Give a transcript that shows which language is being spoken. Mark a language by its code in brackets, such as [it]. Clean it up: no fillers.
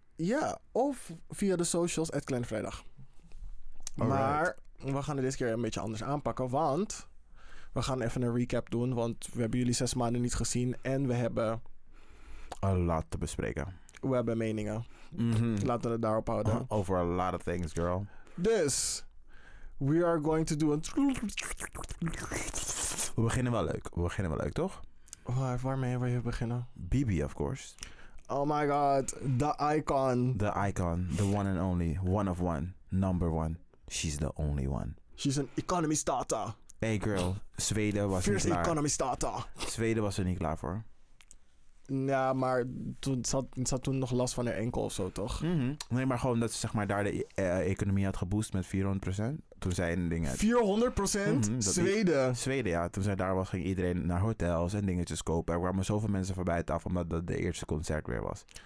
[nl] Ja, of via de socials at Kleine Vrijdag. Maar we gaan het deze keer een beetje anders aanpakken, want we gaan even een recap doen, want we hebben jullie 6 maanden niet gezien en we hebben... [en] A lot [nl] te bespreken. We hebben meningen. Mm-hmm. Laten we het daarop houden. [en] Over a lot of things, girl. [nl] Dus... [en] We are going to do a... [nl] We beginnen wel leuk. We beginnen wel leuk, toch? Waarmee wil je beginnen? [en] Bibi, of course. Oh my god. The icon. The icon. The one and only. One of one. Number one. She's the only one. She's an economy starter. Hey girl. [nl] Zweden was [en] Fierce [nl] niet klaar. [en] Fierce economy starter. [nl] Zweden was er niet klaar voor. Ja, maar toen zat toen nog last van haar enkel of zo, toch? Mm-hmm. Nee, maar gewoon dat ze zeg maar daar de economie had geboost met 400%. Toen zij dingen... 400%? Mm-hmm, Zweden? Zweden, ja. Toen zij daar was, ging iedereen naar hotels en dingetjes kopen. Er kwamen zoveel mensen voorbij het af, omdat dat de eerste concert weer was.